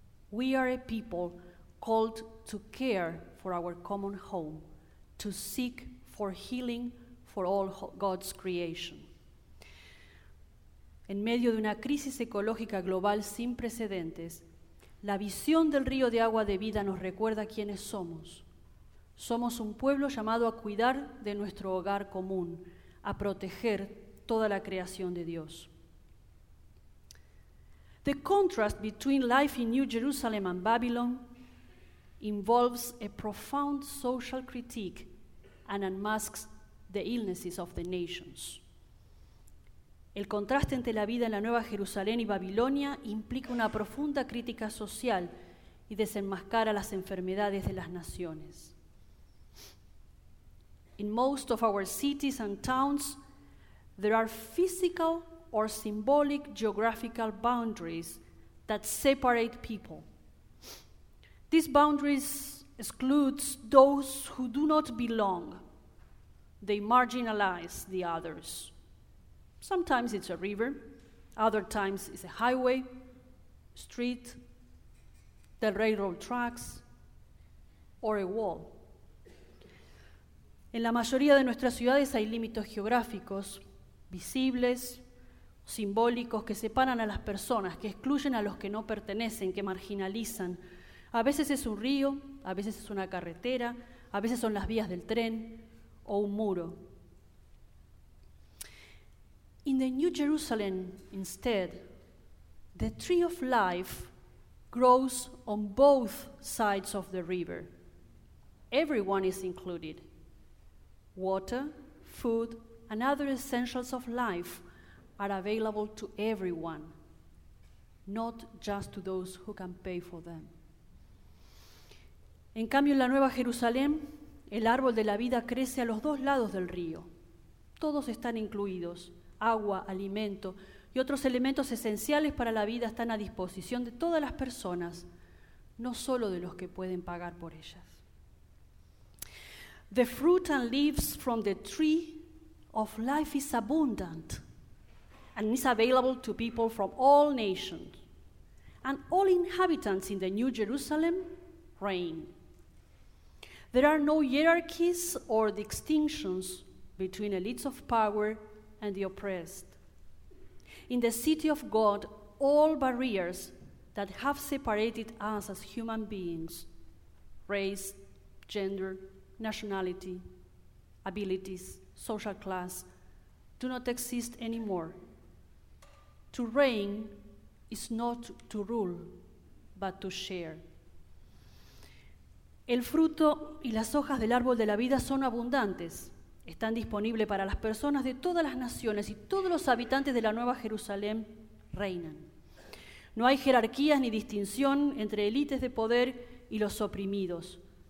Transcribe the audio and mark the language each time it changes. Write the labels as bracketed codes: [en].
[en] We are a people called to care for our common home, to seek for healing for all God's creation. [es] En medio de una crisis ecológica global sin precedentes, la visión del río de agua de vida nos recuerda quiénes somos. Somos un pueblo llamado a cuidar de nuestro hogar común, a proteger toda la creación de Dios. [en] The contrast between life in New Jerusalem and Babylon involves a profound social critique and unmasks the illnesses of the nations. [es] El contraste entre la vida en la Nueva Jerusalén y Babilonia implica una profunda crítica social y desenmascara las enfermedades de las naciones. [en] In most of our cities and towns, there are physical or symbolic geographical boundaries that separate people. These boundaries exclude those who do not belong. They marginalize the others. Sometimes it's a river, other times it's a highway, street, the railroad tracks, or a wall. [es] En la mayoría de nuestras ciudades hay límites geográficos, visibles, simbólicos, que separan a las personas, que excluyen a los que no pertenecen, que marginalizan. A veces es un río, a veces es una carretera, a veces son las vías del tren o un muro. [en] In the New Jerusalem, instead, the tree of life grows on both sides of the river. Everyone is included. Water, food, and other essentials of life are available to everyone, not just to those who can pay for them. [es] En cambio, en la Nueva Jerusalén, el árbol de la vida crece a los dos lados del río. Todos están incluidos. Agua, alimento y otros elementos esenciales para la vida están a disposición de todas las personas, no solo de los que pueden pagar por ellas. [en] The fruit and leaves from the tree of life is abundant and is available to people from all nations. And all inhabitants in the New Jerusalem reign. There are no hierarchies or distinctions between elites of power and the oppressed. In the city of God, all barriers that have separated us as human beings, race, gender, nationality, abilities, social class, do not exist anymore. To reign is not to rule, but to share. [es] El fruto y las hojas del árbol de la vida son abundantes. Están disponibles para las personas de todas las naciones y todos los habitantes de la Nueva Jerusalén reinan. No hay jerarquías ni distinción entre élites de poder y los oprimidos.